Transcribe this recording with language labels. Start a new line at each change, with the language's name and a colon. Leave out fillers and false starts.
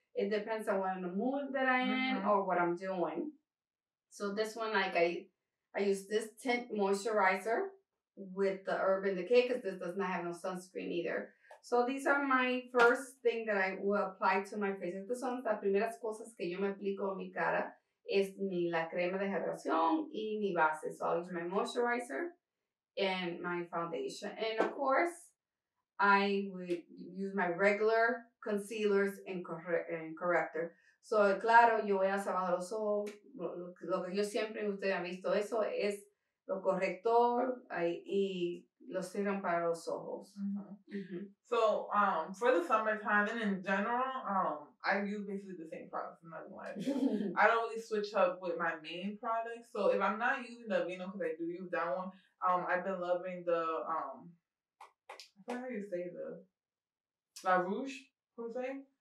English: It depends on what in the mood that I am or what I'm doing. So this one, like I use this tint moisturizer with the Urban Decay because this does not have no sunscreen either. So these are my first thing that I will apply to my face.
Spanish: Estas son las primeras cosas que yo me aplico en mi cara. Es mi la crema de hidratación y mi base.
English: So I'll use my moisturizer and my foundation. And of course, I would use my regular concealers and corrector.
Spanish: So claro, yo voy a salvar los ojos. Lo que yo siempre, ustedes han visto eso, es lo corrector y lo serum para los ojos.
English: So for the summertime and in general, I use basically the same products in my life. I don't really switch up with my main products. So if I'm not using the Aveeno, because I do use that one, I've been loving the, I forgot how you say the, La Roche, Jose?